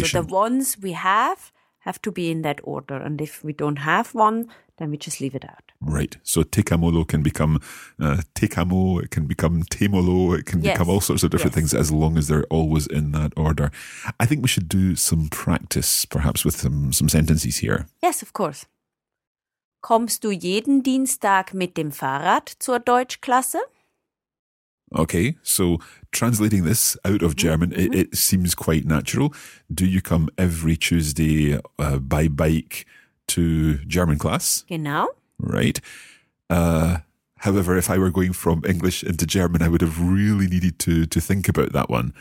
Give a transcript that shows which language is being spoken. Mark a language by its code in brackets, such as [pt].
[en] Yes, so the ones we have to be in that order. And if we don't have one, then we just leave it out. Right. So tekamolo can become tekamo, it can become temolo, it can become all sorts of different things, as long as they're always in that order. I think we should do some practice, perhaps, with some sentences here. Yes, of course. [de] Kommst du jeden Dienstag mit dem Fahrrad zur Deutschklasse? [en] Okay, so translating this out of German, it seems quite natural. Do you come every Tuesday by bike to German class? [de] Genau. [en] Right. However, if I were going from English into German, I would have really needed to think about that one.